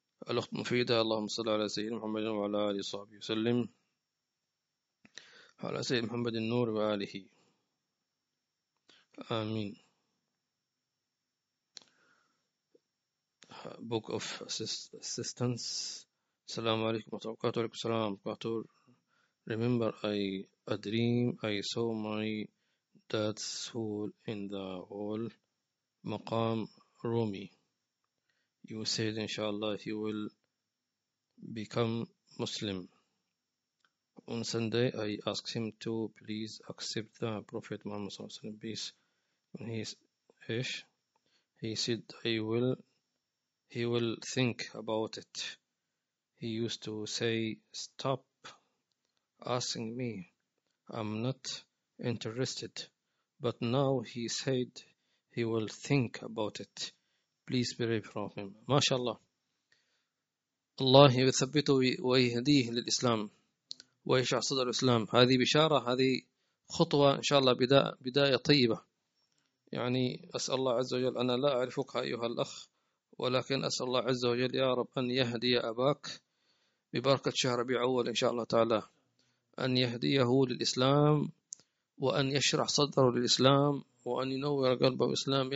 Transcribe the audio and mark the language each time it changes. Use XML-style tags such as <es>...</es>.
<ar>الأخت مفيدة اللهم صل على سيدنا محمد وعلى آله وصحبه وسلم، على سيدنا محمد النور وآله آمين.</ar> <en>Book of Assistance.</en> <ar>السلام عليكم ورحمة الله وبركاته. السلام عليكم ورحمة الله وبركاته.</ar> <en>Remember I a dream I saw my dad's soul in the hall مقام رومي. You said, inshallah, he will become Muslim. On Sunday, I asked him to please accept the Prophet Muhammad صلى الله عليه وسلم. Peace. And he said, he will think about it. He used to say, stop asking me. I'm not interested, but now he said he will think about it. Please pray for him. MashaAllah.</en> <ar>الله يثبته ويهديه للإسلام ويشع صدر الإسلام. هذه بشارة, هذه خطوة إن شاء الله بداية طيبة. يعني أسأل الله عز وجل, أنا لا أعرفك أيها الأخ, ولكن أسأل الله عز وجل يا رب أن يهدي أباك ببركة شهر ربيع أول إن شاء الله تعالى, أن يهديه للإسلام وأن يشرح صدره للإسلام وأن ينور قلبه الإسلام.</ar>